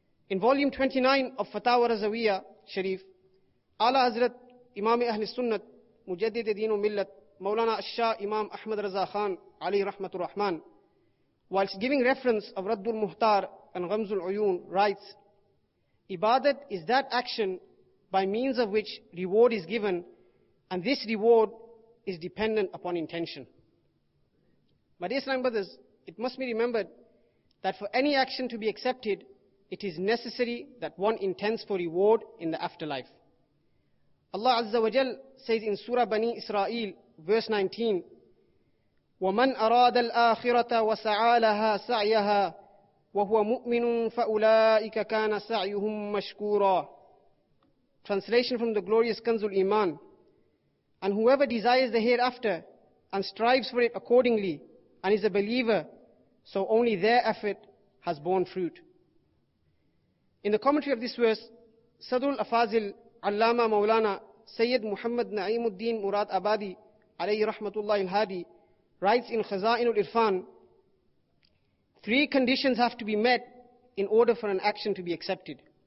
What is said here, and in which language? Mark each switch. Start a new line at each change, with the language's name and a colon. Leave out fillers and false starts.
English: In volume 29 of Fatawa Razawiyya Sharif, Ala Hazrat Imam Ahl Sunnat Mujaddid Deen Millat Maulana Ash-Shah Imam Ahmad Raza Khan Ali Rahmatur Rahman, whilst giving reference of Raddul Muhtar and Ghamzul Uyun, writes, ibadat is that action by means of which reward is given, and this reward is dependent upon intention. My dear Islamic brothers, it must be remembered that for any action to be accepted, it is necessary that one intends for reward in the afterlife. Allah Azza wa Jal says in Surah Bani Israel, verse 19,
Arabic: وَمَنْ أَرَادَ الْآخِرَةَ وَسَعَى لَهَا سَعْيَهَا وَهُوَ مُؤْمِنٌ فَأُولَٰئِكَ كَانَ سَعْيُهُمْ مَشْكُورًا.
English: Translation from the glorious Kanzul Iman. And whoever desires the hereafter and strives for it accordingly and is a believer, so only their effort has borne fruit. In the commentary of this verse, Sadrul Afazil Allama Mawlana Sayyid Muhammad Naimuddin Murad Abadi alayhi rahmatullahi al-Hadi writes in Khazainul Irfan, three conditions have to be met in order for an action to be accepted.